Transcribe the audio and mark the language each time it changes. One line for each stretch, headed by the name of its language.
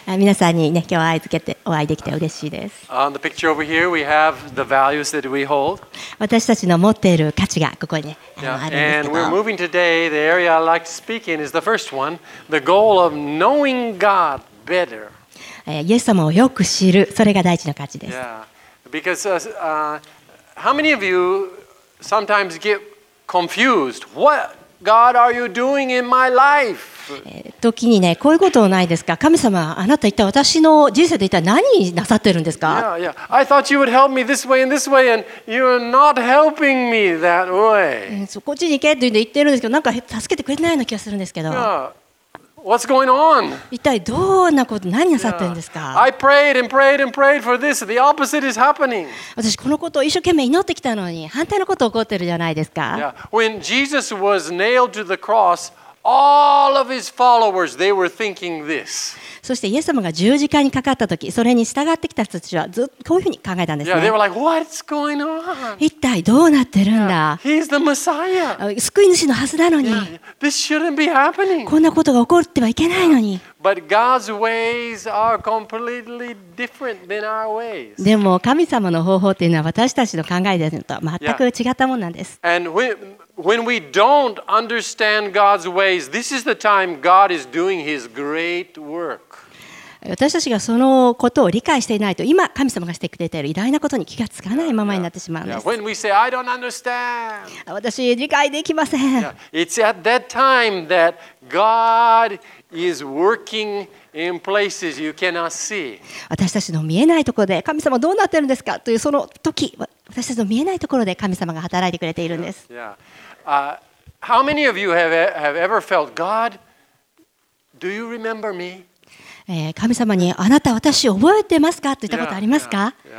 Japanese: 皆さんに、ね、今日会いつけてお会いできて嬉しいです。
English: On the picture over here, we have the values that we hold.
Japanese: 私たちの持っている価値がここに、ね、あるんですけど。
English: Yeah. And we're moving today. The area I'd like to speak in is the first one, the goal of knowing God better.
Japanese: イエス様をよく知る、それが第一の価値です。
English: Yeah. Because how many of you sometimes get confused? What? God, are you doing in my life?
Japanese: 時にね、こういうことはないですか。神様、あなた一体私の人生で一体何なさってるんですか。
English: Yeah, I thought you would help me this way and this way, and you are not helping me that way.
Japanese: そこっちに行けって言ってるんですけど、なんか助けてくれないような気がするんですけど。
English: Yeah. What's going on?
Japanese: 一体どんなこと、何なさってるんですか。
English: Yeah. I prayed and prayed and prayed for this. The opposite is happening.
Japanese: 私このことを一生懸命祈ってきたのに、反対のこと起こってるじゃないですか。
English: Yeah. When Jesus was nailed to the cross, all of his followers, they were thinking this.
Japanese: そしてイエス様が十字架にかかったとき、それに従ってきた人たちはずっとこういうふうに考えたんですね。
English: Yeah, they were like, What's going on?
Japanese: 一体どうなってるんだ。
English: Yeah, he's the Messiah.
Japanese: 救い主のはずなのに。
English: Yeah, this shouldn't be happening.
Japanese: こんなことが起こってはいけないのに。
English: But God's ways are completely different than our ways.
Japanese: でも神様の方法というのは私たちの考えでと全く違ったものなんです。
English: Yeah. And when we don't understand God's ways, this is the time God is doing His great work.
Japanese: 私たちがそのことを理解していないと、今神様がしてくれている偉大なことに気がつかないままになってしまうんです。
English: When we say, I don't understand.
Japanese: 私理解できません。
English: It's at that time that God is working in places you cannot see.
Japanese: 私たちの見えないところで神様どうなってるんですかというその時、私たちの見えないところで神様が働いてくれているんです。
English: How many of you have ever felt, God, do you remember me?
Japanese: 神様にあなた私覚えてますかって言ったことありますか。